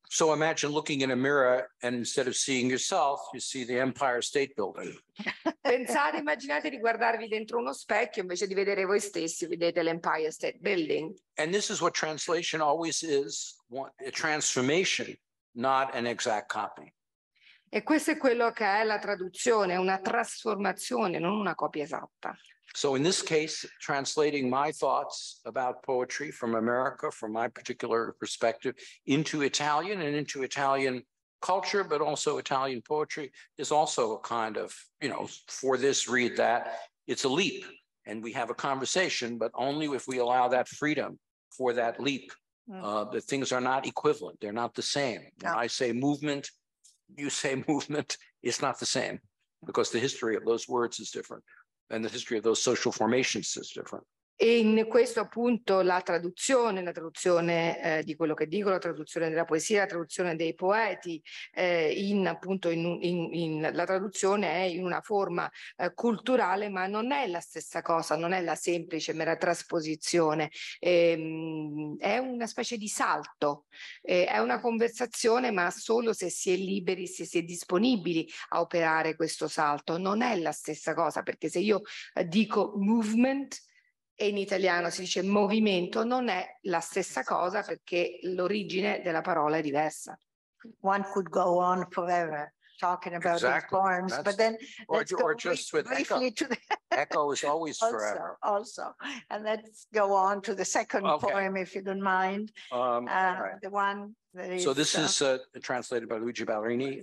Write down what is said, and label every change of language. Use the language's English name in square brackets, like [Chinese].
[English] So imagine looking in a mirror and instead of seeing yourself, you see the Empire State Building. [Italian] Pensate, immaginate di guardarvi dentro uno specchio, invece di vedere voi stessi, vedete l'Empire State Building. [English] And this is what translation always is, a transformation. Not an exact copy. [Italian] E questo è quello che è la traduzione, una trasformazione, non una copia esatta. [English] So in this case, translating my thoughts about poetry from America, from my particular perspective, into Italian and into Italian culture, but also Italian poetry, is also a kind of, you know, for this, read that. It's a leap, and we have a conversation, but only if we allow that freedom for that leap. The things are not equivalent, they're not the same. When I say movement, you say movement, it's not the same, because the history of those words is different, and the history of those social formations is different. [Italian] E in questo appunto la traduzione di quello che dico, la traduzione della poesia, la traduzione dei poeti, la traduzione è in una forma culturale, ma non è la stessa cosa, non è la semplice mera trasposizione, è una specie di salto, è una conversazione, ma solo se si è liberi, se si è disponibili a operare questo salto. Non è la stessa cosa, perché se io dico movement, e in italiano si dice movimento, non è la stessa cosa, perché l'origine della parola è diversa. [English] One could go on forever talking about these poems, but then let's go briefly to the Echo is always forever. Also, and let's go on to the second poem, if you don't mind. The one that is. So this is translated by Luigi Ballerini.